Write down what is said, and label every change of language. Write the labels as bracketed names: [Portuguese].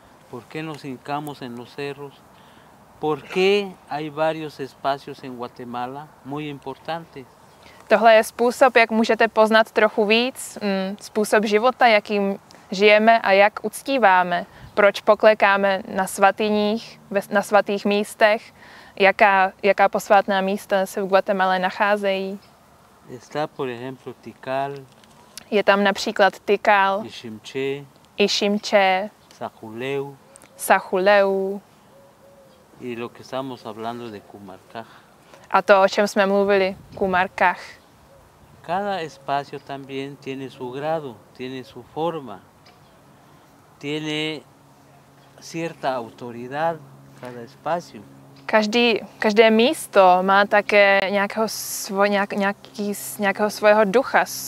[Spanish] ¿Por qué nos hincamos en los cerros? ¿Por qué hay varios espacios en Guatemala? Muy importante. [Czech] Tohle je způsob, jak můžete poznat trochu víc, způsob života, jakým žijeme a jak uctíváme. Proč poklekáme na svatyních, na svatých místech, jaká posvátná místa se v Guatemala nacházejí. [Spanish] Está, por ejemplo, Tikal. [Czech] Je tam například Tikal, Ishimche, Sahuleu. [Spanish] Y lo que estamos hablando de Kumarkaj. [Czech] A to, o čem jsme mluvili, Kumarkaj. [Spanish] Cada espacio también tiene su grado, tiene su forma, tiene cierta autoridad cada espacio. [Czech] Každé místo má také nějakého svého ducha.